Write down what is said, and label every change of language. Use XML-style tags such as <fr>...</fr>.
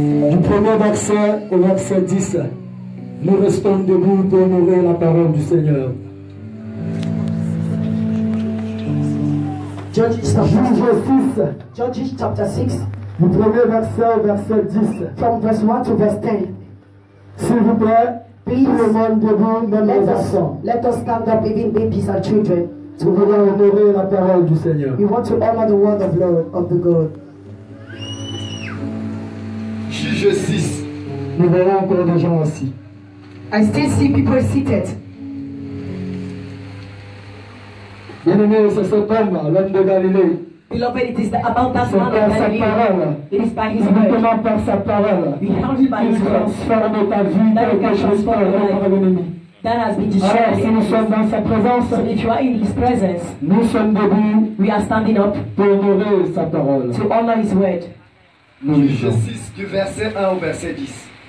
<fr>Du premier verset au verset 10, nous restons debout pour honorer la parole du Seigneur.</fr> <en>Judges chapter 6. Judges chapter 6.</en> <fr>Du premier verset au verset 10.</fr> <en>From verse 1 to verse 10.</en> <fr>S'il vous plaît, tout le monde debout, même les enfants.</fr> <en>Let us stand up, even babies and children.</en> <fr>Nous voulons honorer la parole du Seigneur.</fr> <en>We want to honor the word of Lord of the God.</en> <fr>Juges 6. Nous voyons encore des gens assis.</fr> <en>I still see people seated.</en> <fr>Bien-aimé, c'est cet homme, l'homme de Galilée.</fr> <en>Beloved, it is about that man of Galilee.</en> <fr>Sa parole.</fr> <en>It is by his word.</en> <fr>Simplement par sa parole. Transforme ta vie, quelque chose par l'homme de l'ennemi. Alors, si nous sommes dans sa présence,</fr> <en>so if you are in his presence,</en> <fr>nous sommes debout.</fr> <en>We are standing up.</en> <fr>Pour honorer sa parole.</fr> <en>To honor his word.</en> <fr>Juges 6, du verset 1 au verset 10.</fr>